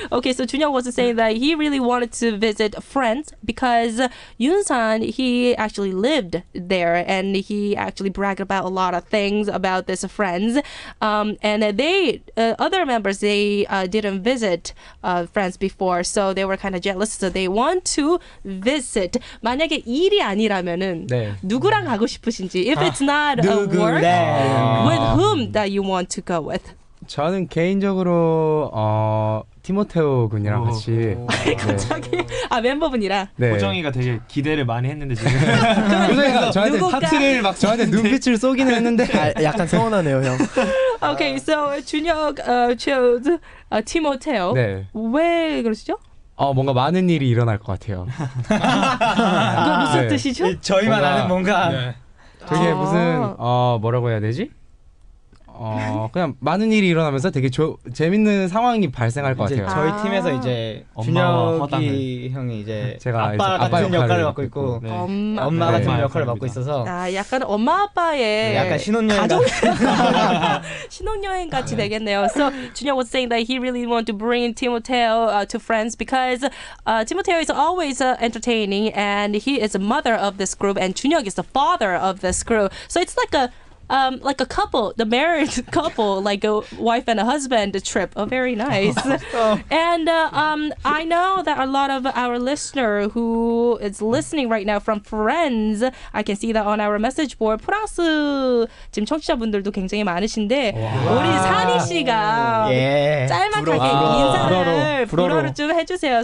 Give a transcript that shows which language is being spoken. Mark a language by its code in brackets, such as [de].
[en] Okay, so Junhyuk was saying that he really wanted to visit France because Yoon-san, he actually lived there and he actually bragged about a lot of things about this France. And they, other members, they didn't visit France before, so they were kind of jealous. So they want to visit. [ko] 만약에 일이 아니라면은 네. 누구랑 가고 싶으신지. [en] If it's not a work, [ko] 네. [en] with whom that you want to go with? [ko] 저는 개인적으로 티모테오 군이랑 오, 같이 오, 갑자기 오. 아 멤버분이랑 네. 호정이가 되게 기대를 많이 했는데 지금 저한테 하트를 막 저한테 눈빛을 쏘기는 했는데 아, 약간 서운하네요 형. [en] Okay, so 준혁 chose Timoteo. [ko] 네. 왜 그러시죠? 뭔가 많은 일이 일어날 것 같아요. 그 무슨 네. 뜻이죠? 저희만 뭔가, 아는 뭔가 네. 되게 무슨 뭐라고 해야 되지? 그냥 많은 일이 일어나면서 되게 재밌는 상황이 발생할 것 같아요. 저희 팀에서 이제 준혁이 형이 이제 제가 아빠 이제 같은 역할을 맡고 있고 네. 엄마 네. 같은 네. 역할을 맡고 있어서 아 약간 엄마 아빠의 네. 약간 신혼여행 가족 신혼여행 같이 되겠네요. [en] So Junhyuk was saying that he really wanted to bring Timoteo to France because Timoteo is always entertaining and he is the mother of this group and Junhyuk is the father of this group. So it's like a couple, the married couple, like a wife and a husband trip. Oh, very nice. And I know that a lot of our listener who is listening right now from friends, I can see that on our message board. [ko] 프랑스 지금 청취자분들도 굉장히 많으신데 wow. 우리 산이 씨가 yeah. 짤막하게 인사를 불어로 좀 해주세요.